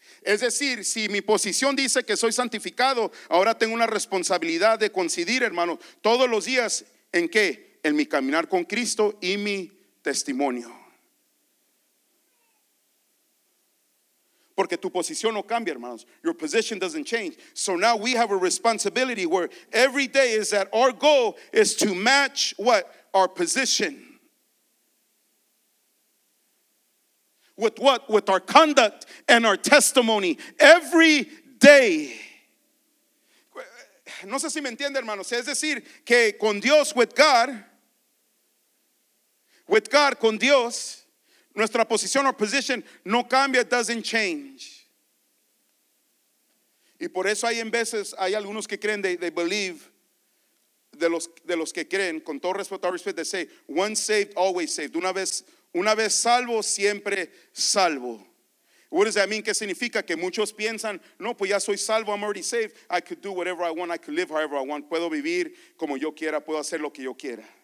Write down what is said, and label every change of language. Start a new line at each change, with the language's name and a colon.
Spanish: Es decir, si mi posición dice que soy santificado, ahora tengo una responsabilidad de coincidir, hermanos, todos los días, ¿en qué? En mi caminar con Cristo y mi testimonio. Porque tu posición no cambia, hermanos.
English: Your position doesn't change. So now we have a responsibility where every day is that our goal is to match what? Our position. With what? With our conduct and our testimony. Every day.
Spanish: No sé si me entiende, hermanos. Es decir, que con Dios,
English: with God,
Spanish: con Dios, nuestra posición,
English: our position,
Spanish: no cambia,
English: it doesn't change.
Spanish: Y por eso hay en veces, hay algunos que creen,
English: they believe,
Spanish: de los que creen, con todo respeto,
English: all respect, they say, once saved, always saved.
Spanish: Una vez salvo, siempre salvo.
English: What does that mean?
Spanish: ¿Qué significa? Que muchos piensan, no, pues ya soy salvo,
English: I'm already saved. I could do whatever I want, I could live however I want.
Spanish: Puedo vivir como yo quiera, puedo hacer lo que yo quiera.